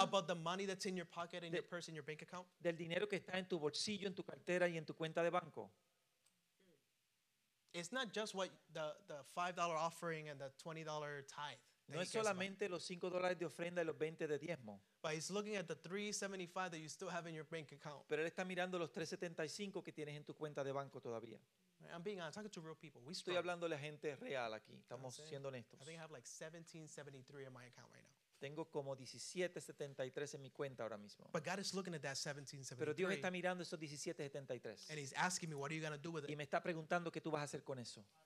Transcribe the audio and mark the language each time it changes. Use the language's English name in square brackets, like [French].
[English] About the money that's in your pocket and your purse and your bank account. [Spanish] Del dinero que está en tu bolsillo, en tu cartera y en tu cuenta de banco. [English] It's not just what the $5 offering and the $20 tithe. [Spanish] No es solamente los $5 de ofrenda y los 20 de diezmo. [English] But he's looking at the $375 that you still have in your bank account. [Spanish] Pero él está mirando los $375 que tienes en tu cuenta de banco todavía. [English] I'm being honest. I'm talking to real people. We [Spanish] estoy hablando a gente real aquí. Estamos siendo honestos. [English] I think I have like $1,773 in my account right now. [Spanish] Tengo como $1,773 en mi cuenta ahora mismo. [English] But God is looking at that $1,773. [Spanish] Pero Dios está mirando esos $1,773. [English] And he's asking me, what are you going to do with it? [Spanish] Y me está preguntando qué tú vas a hacer con eso.